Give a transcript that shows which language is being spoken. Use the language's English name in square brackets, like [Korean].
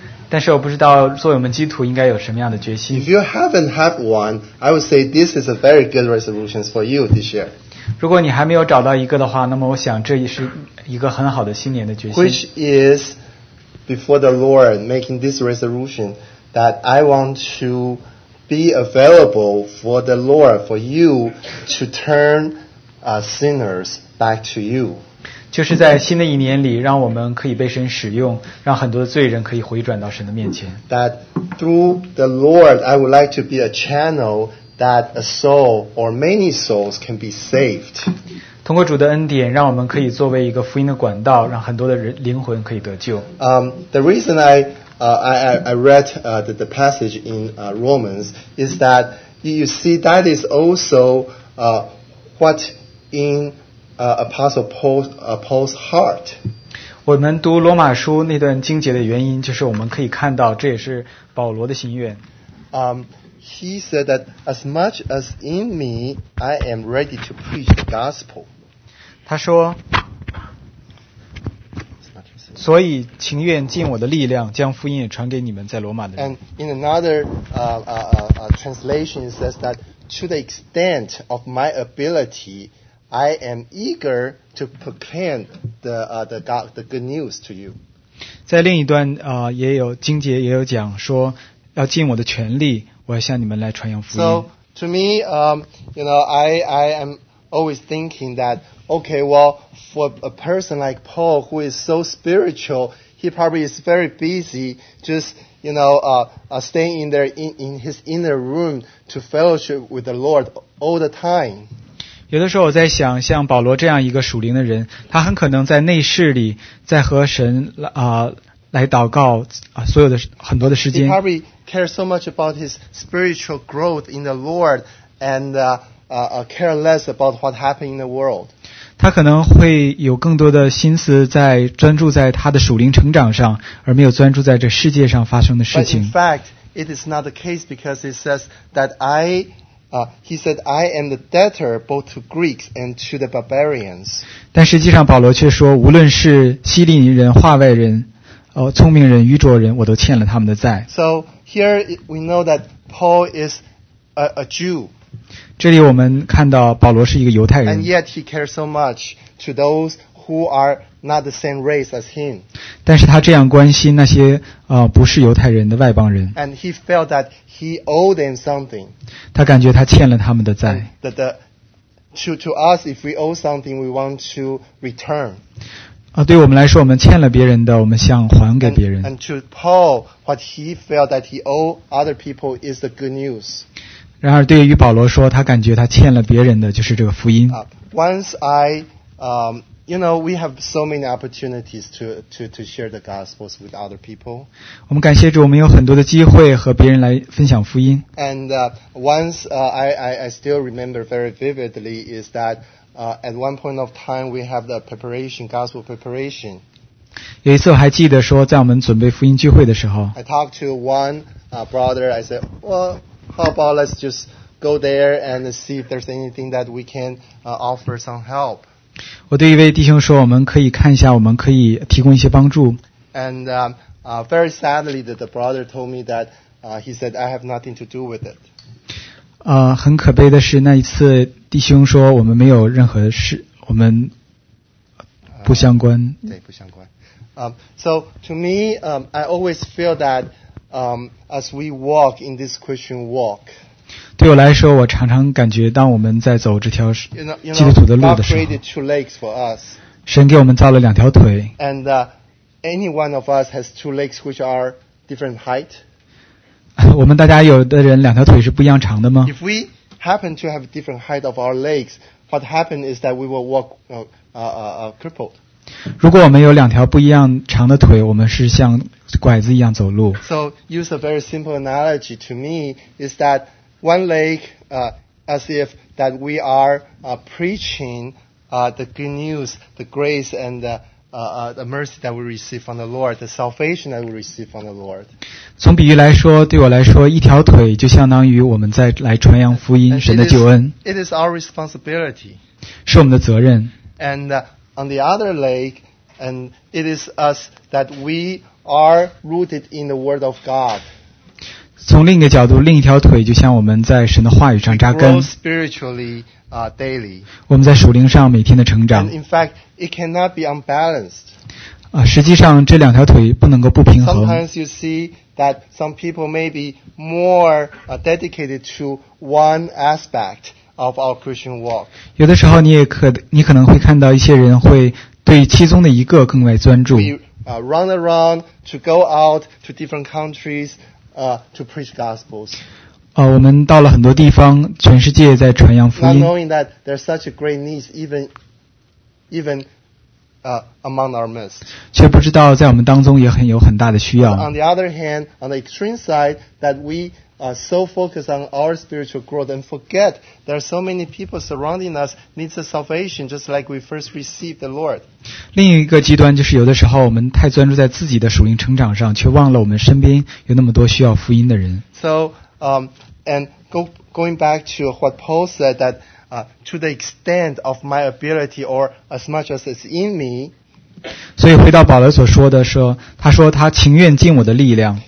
[Chinese] 但是我不知道作为我们基督徒应该有什么样的决心。 [English] If you haven't had one, I would say this is a very good resolution for you this year. [Chinese] 如果你还没有找到一个的话，那么我想这也是一个很好的新年的决心。 [English] Which is before the Lord making this resolution that I want to be available for the Lord for you to turn sinners back to you. [Chinese] 就是在新的一年里，让我们可以被神使用，让很多的罪人可以回转到神的面前。 [English] That through the Lord, I would like to be a channel. That a soul or many souls can be saved. [Chinese] 通过主的恩典，让我们可以作为一个福音的管道，让很多的灵魂可以得救。 [English] The reason I read the passage in Romans is that you see that is also what in Apostle Paul's heart. [Chinese] 我们读罗马书那段经节的原因，就是我们可以看到，这也是保罗的心愿。 [English] He said that as much as in me, I am ready to preach the gospel. [Chinese] 他说，所以情愿尽我的力量，将福音也传给你们在罗马的人。 [English] And in another translation, it says that to the extent of my ability, I am eager to proclaim the good news to you. [Chinese] 在另一段也有经节也有讲说，要尽我的全力。我要向你们来传扬福音。 [English] So to me, you know, I am always thinking that, okay, well, for a person like Paul who is so spiritual, he probably is very busy just, you know, staying in there in his inner room to fellowship with the Lord all the time. [Chinese] 有的时候我在想，像保罗这样一个属灵的人，他很可能在内室里，在和神来祷告所有的很多的时间。 [English] He probably cares so much about his spiritual growth in the Lord and care less about what happened in the world. [Chinese] 他可能会有更多的心思在专注在他的属灵成长上，而没有专注在这世界上发生的事情。 [English] But in fact, it is not the case because it says that I am the debtor both to Greeks and to the barbarians. [Chinese] 但实际上保罗却说，无论是希利尼人、化外人。聪明人、愚拙人，我都欠了他们的债。 [English] So here we know that Paul is a Jew. [Chinese] 这里我们看到保罗是一个犹太人。 [English] And yet he cares so much to those who are not the same race as him. [Chinese] 但是他这样关心那些不是犹太人的外邦人。 [English] And he felt that he owed them something. [Chinese] 他感觉他欠了他们的债。 [English] To us, if we owe something, we want to return. [Chinese] 对我们来说，我们欠了别人的，我们想还给别人。 [English] And to Paul, what he felt that he owed other people is the good news. [Chinese] 然而，对于保罗说，他感觉他欠了别人的就是这个福音。 [English] Once I, you know, we have so many opportunities to share the gospels with other people. [Chinese] 我们感谢主，我们有很多的机会和别人来分享福音。 [English] And once I still remember very vividly is that. At one point of time, we have the preparation, gospel preparation. [Chinese] 有一次我还记得说，在我们准备福音聚会的时候 [English] ，I talked to one brother. I said, "Well, how about let's just go there and see if there's anything that we can offer some help." [Chinese] 我对一位弟兄说，我们可以看一下，我们可以提供一些帮助。 [English] And very sadly, that the brother told me that he said I have nothing to do with it. [Chinese] 很可悲的是，那一次弟兄说我们没有任何事，我们不相关。对，不相关。 [English] So to me, I always feel that as we walk in this Christian walk. [Chinese] 对我来说，我常常感觉，当我们在走这条基督徒的路的时候， [English] God created two legs for us. [Chinese] 神给我们造了两条腿。 [English] And any one of us has two legs which are different height. [Chinese] 我们大家有的人两条腿是不一样长的吗？ [English] If we happen to have different height of our legs, what happened is that we will walk crippled. [Chinese] 如果我们有两条不一样长的腿，我们是像拐子一样走路。 [English] So use a very simple analogy to me is that one leg, as if that we are preaching the good news, the grace and the mercy that we receive from the Lord, the salvation that we receive from the Lord. [Chinese] 从比喻来说，对我来说，一条腿就相当于我们在来传扬福音，神的救恩。 [English] It is our responsibility. [Chinese] 是我们的责任。 [English] And on the other leg, and it is us that we are rooted in the Word of God. [Chinese] 从另一个角度，另一条腿就像我们在神的话语上扎根。 [English] We grow spiritually. Daily. [Chinese] 我们在属灵上每天的成长。 [English] And in fact, it cannot be unbalanced. [Chinese] 实际上这两条腿不能够不平衡。 [English] Sometimes you see that some people may be more dedicated to one aspect of our Christian walk. [Chinese] 有的时候你可能会看到一些人会对其中的一个更为专注。 [English] We run around to go out to different countries to preach gospels. [Chinese] 我们到了很多地方，全世界在传扬福音。 [English] Not knowing that there's such a great need even among our midst. [Chinese] 却不知道在我们当中也很有很大的需要。 [English] On the other hand, on the extreme side, that we are so focused on our spiritual growth and forget there are so many people surrounding us needs a salvation just like we first received the Lord. [Chinese] 另一个极端就是有的时候我们太专注在自己的属灵成长上，却忘了我们身边有那么多需要福音的人。 [English] So,going back to what Paul said, that to the extent of my ability or as much as it's in me. [Chinese] 所以回到保罗所说的说，他说他情愿尽我的力量